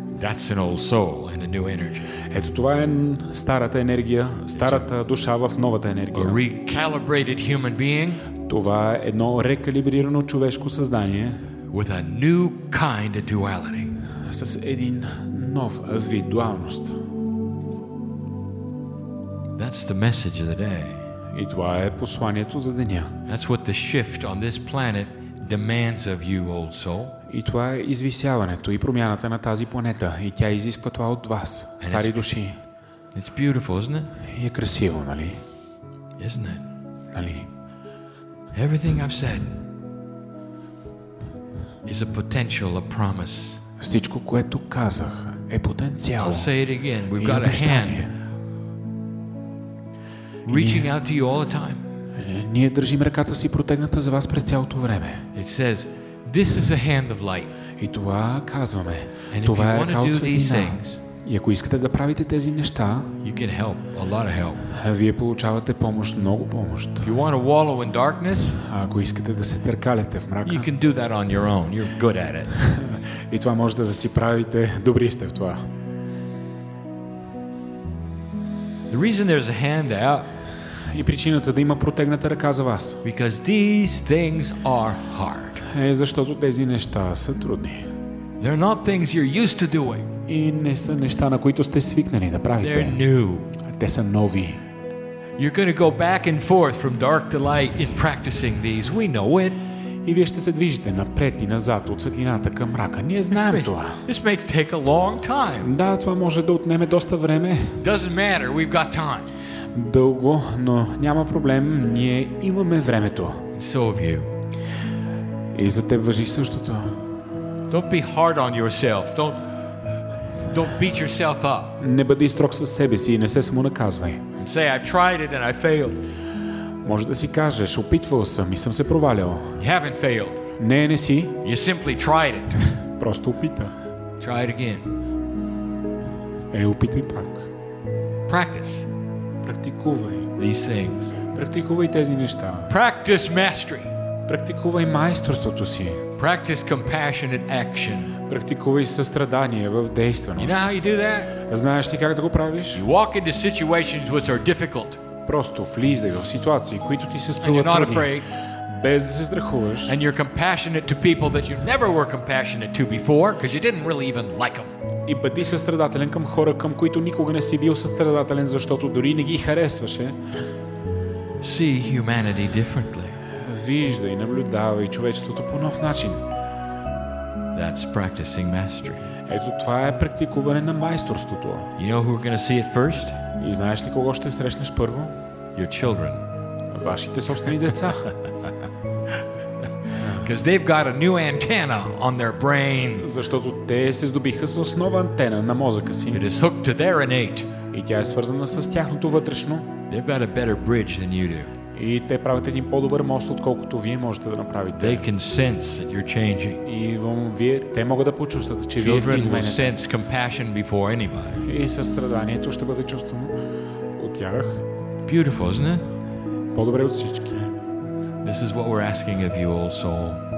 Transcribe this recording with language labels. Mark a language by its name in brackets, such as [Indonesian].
[English] That's an old soul and a new energy. [Bulgarian] Ето това е старата енергия, старата душа в новата енергия. [English] A recalibrated human being. [Bulgarian] Това е едно рекалибрирано човешко създание. [English] With a new kind of duality. [Bulgarian] С един нов вид дуалност. [English] That's the message of the day. [Bulgarian] И това е посланието за деня. [English] That's what the shift on this planet demands of you, old soul. [Bulgarian] И това е извисяването и промяната на тази планета. И тя изисква това от вас, стари души. [English] It's beautiful, isn't it? [Bulgarian] И е красиво, нали? [English] Isn't it? [Bulgarian] Нали? [English] Everything I've said is a potential, a promise. [Bulgarian] Всичко, което казах, е потенциал. [English] I'll say it again. We've got a hand reaching out to you all the time. [Bulgarian] Ние държим ръката си протегната за вас през цялото време. [English] It says, this is a hand of light. [Bulgarian] И това казваме. Това е ръка от светлина. И ако искате да правите тези неща, [English] you can help, a lot of help. [Bulgarian] Вие получавате помощ, много помощ. [English] If you want to wallow in darkness, [Bulgarian] ако искате да се търкаляте в мрака, [English] you can do that on your own. You're good at it. [Bulgarian] И това можете да си правите, добри сте в това. [English] The reason there's a hand out. [Bulgarian] И причината да има протегната ръка за вас. [English] Because these things are hard. [Bulgarian] Е, защото тези неща са трудни. [English] They're not things you're used to doing. [Bulgarian] И не са неща, на които сте свикнали да правите. [English] They're new. [Bulgarian] Те са нови. [English] You're going to go back and forth from dark to light in practicing these. We know it. [Bulgarian] И вие ще се движите напред и назад от светлината към мрака. Ние знаем това. [English] This may take a long time. [Bulgarian] Да, това може да отнеме доста време. [English] Doesn't matter, we've got time. [Bulgarian] Дълго, но няма проблем, ние имаме времето. [English] So have you. [Bulgarian] И за теб важи същото. [English] Don't be hard on yourself. Don't beat yourself up. [Bulgarian] Не бъди строг със себе си и не се самонаказвай. [English] And say, I've tried it and I failed. [Bulgarian] Може да си кажеш, опитвал съм и съм се провалял. [English] You haven't failed. [Bulgarian] Не, не си. [English] You simply tried it. [Bulgarian] Просто опита. [English] Try it again. [Bulgarian] Е, опитай пак. [English] Practice. [Bulgarian] Практикувай. [English] These things. [Bulgarian] Практикувай тези неща. [English] Practice mastery. [Bulgarian] Практикувай майсторството си. [English] Practice compassionate action. [Bulgarian] Практикувай състрадание в действеност. [English] You know how you do that? [Bulgarian] Знаеш ли как да го правиш? [English] You walk into situations which are difficult. [Bulgarian] Просто влизай в ситуации, които ти се струват трудни, без да се страхуваш. [English] And you're compassionate to people that you never were compassionate to before, because you didn't really even like them. [Bulgarian] И бъди състрадателен към хора, към които никога не си бил състрадателен, защото дори не ги харесваше. [English] See humanity differently. [Bulgarian] Виждай, наблюдавай човечеството по нов начин. [English] That's practicing mastery. [Bulgarian] Ето това е практикуване на майсторството. [English] You know who we're going to see it first? [Bulgarian] И знаеш ли кого ще срещнеш първо? [English] Your children. [Bulgarian] Вашите собствени деца. [English] Because they've got a new antenna on their brain. [Bulgarian] Защото те се здобиха с нова антена на мозъка си. [English] It is hooked to their innate. [Bulgarian] И тя е свързана с тяхното вътрешно. [English] They've got a better bridge than you do. [Bulgarian] И те правят един по-добър мост, отколкото вие можете да направите. [English] They can sense that you're changing. [Bulgarian] И те могат да почувстват, че вие се изменяте. [English] Children sense compassion before anybody. [Bulgarian] И състраданието ще бъде чувствано от тях. [English] Beautiful, isn't it? [Bulgarian] По-добре от всички. [English] This is what we're asking of you, old soul.